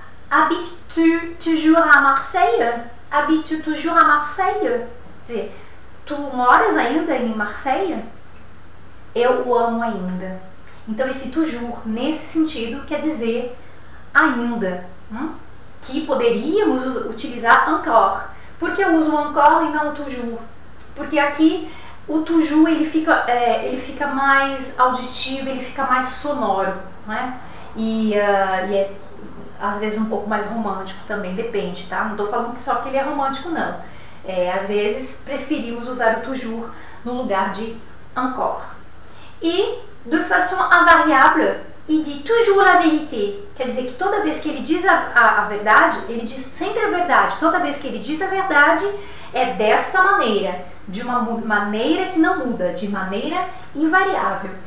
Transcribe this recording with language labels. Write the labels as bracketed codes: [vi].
[fr] Habites-tu toujours à Marseille? Habites-tu toujours à Marseille? [pt] Quer dizer, tu moras ainda em Marseille? Eu o amo ainda. Então, esse toujours, nesse sentido, quer dizer ainda. Que poderíamos utilizar encore. Por que eu uso encore e não toujours? porque aqui o tuju ele fica mais auditivo, ele fica mais sonoro, né? E é às vezes um pouco mais romântico também, depende, tá? Não tô falando que só que ele é romântico, não. É, às vezes preferimos usar o toujours no lugar de encore. [fr] E de façon invariable, il dit toujours la vérité. [pt] Quer dizer que toda vez que ele diz a verdade, ele diz sempre a verdade. Toda vez que ele diz a verdade, é desta maneira, de uma maneira que não muda, de maneira invariável.